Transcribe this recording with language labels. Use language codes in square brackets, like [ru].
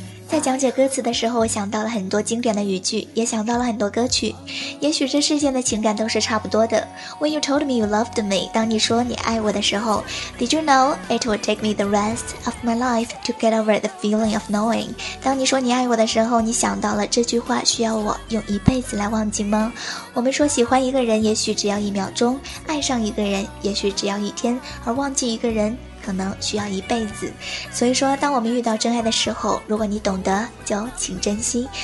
[zh] 在讲解歌词的时候，我想到了很多经典的语句，也想到了很多歌曲。也许这世间的情感都是差不多的。 [en] When you told me you loved me, [zh] 当你说你爱我的时候 [en] ，Did you know it would take me the rest of my life to get over the feeling of knowing? [zh] 当你说你爱我的时候，你想到了这句话需要我用一辈子来忘记吗？我们说喜欢一个人也许只要一秒钟，爱上一个人也许只要一天，而忘记一个人可能需要一辈子。所以说，当我们遇到真爱的时候，如果你懂得，就请珍惜。